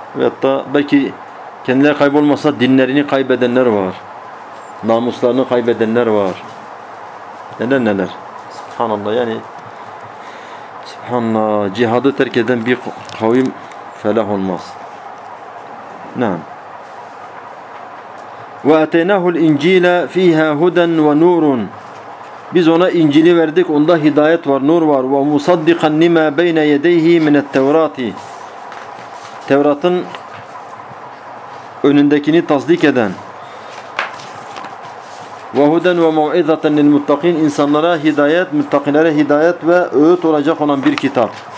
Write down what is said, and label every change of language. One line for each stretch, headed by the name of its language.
Turkish: Veyahut da belki kendileri kaybolmasa dinlerini kaybedenler var. Namuslarını kaybedenler var. Neler neler. Subhanallah yani. Subhanallah. Cihadı terk eden bir kavim felah olmaz. Naam.
Arabic: وَاَتَيْنَاهُ الْاِنْجِيلَ ف۪يهَا هُدًا وَنُورٌ
Turkish: Biz ona İncil'i verdik. Onda hidayet var, nur var.
Arabic: وَمُصَدِّقًا لِمَا بَيْنَ يَدَيْهِ مِنَ التَّوْرَاتِ
Turkish: Tevrat'ın önündekini tasdik eden
Arabic: وَهُدًا وَمَوْعِذَةً لِلْمُتَّقِينَ
Turkish: İnsanlara hidayet, müttakilere hidayet ve öğüt olacak olan bir kitap.